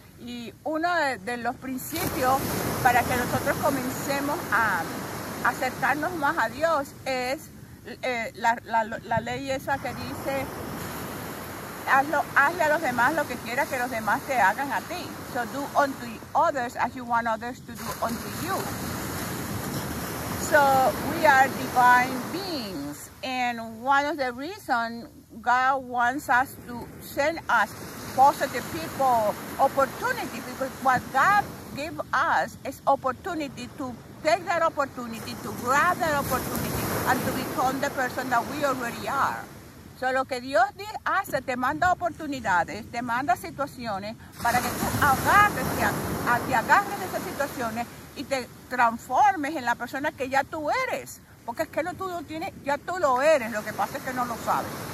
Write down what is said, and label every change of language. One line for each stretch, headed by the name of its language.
Spanish: Y uno de los principios para que nosotros comencemos a acercarnos más a Dios es la ley esa que dice, hazle a los demás lo que quieras que los demás te hagan a ti.
English: So do unto others as you want others to do unto you. So we are divine beings, and one of the reasons God wants us to send us positive people, opportunity, because what God gave us is opportunity to take that opportunity, to grab that opportunity, and to become the person that we already are.
Spanish: So lo que Dios hace, te manda oportunidades, te manda situaciones para que tú te agarres de esas situaciones y te transformes en la persona que ya tú eres. Porque es que no, tú lo tienes, ya tú lo eres, lo que pasa es que no lo sabes.